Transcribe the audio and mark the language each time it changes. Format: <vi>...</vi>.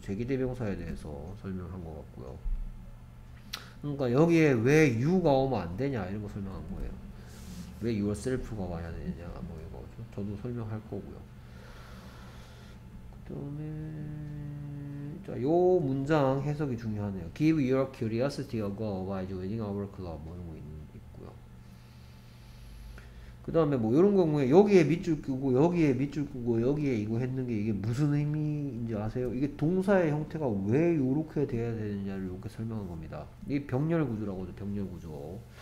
<ko>제기대명사에 대해서 설명한 것 같고요. 그러니까 여기에 왜 you가 오면 안 되냐 이런 거 설명한 거예요. 왜 yourself가 와야 되냐 뭐 이거 저도 설명할 거고요. 그 다음에 자, 요 문장 해석이 중요하네요.</ko> <en>Give your curiosity a go while joining our club.</en> <ko>뭐 이런 거 있고요. 그 다음에 뭐 요런 경우에 여기에 밑줄 끄고 여기에 밑줄 끄고 여기에 이거 했는 게 이게 무슨 의미인지 아세요? 이게 동사의 형태가 왜 요렇게 돼야 되느냐를 이렇게 설명한 겁니다. 이게 병렬구조라고 하죠. 병렬구조.</ko>